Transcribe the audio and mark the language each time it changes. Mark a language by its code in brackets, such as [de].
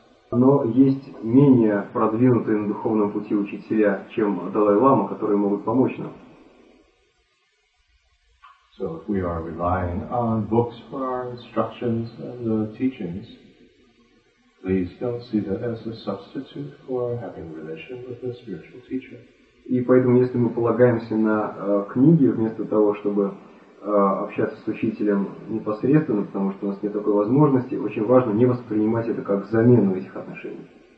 [ru] Но есть менее продвинутые на духовном пути учителя, чем Далай Лама, которые могут помочь нам. [en] So if we are relying on books for our instructions and teachings, please don't see that as a substitute for having relation with the spiritual teacher. [ru] И поэтому, если мы полагаемся на книги вместо того, чтобы общаться с учителем непосредственно, потому что у нас нет такой возможности, очень важно не воспринимать это как замену этих отношений.